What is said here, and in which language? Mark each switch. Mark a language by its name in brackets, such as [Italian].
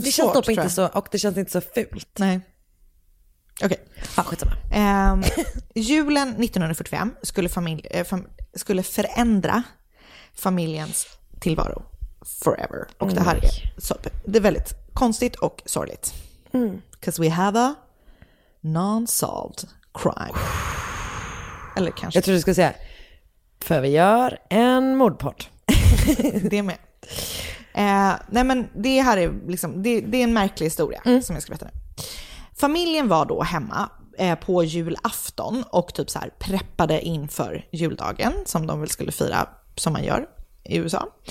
[Swedish] det svårt, känns inte så, och det känns inte så fult. Nej. Okej. Okay. Julen 1945 skulle förändra familjens tillvaro forever. Och det här är så, det är väldigt konstigt och sorgligt. [English] Because we have a non-solved crime. [Swedish] Eller kanske. Jag tror du ska säga för vi gör en mordpart. Det är med. Nej, men det här är liksom det är en märklig historia som jag ska berätta nu. Familjen var då hemma på julafton och typ så här preppade inför juldagen som de väl skulle fira som man gör i USA.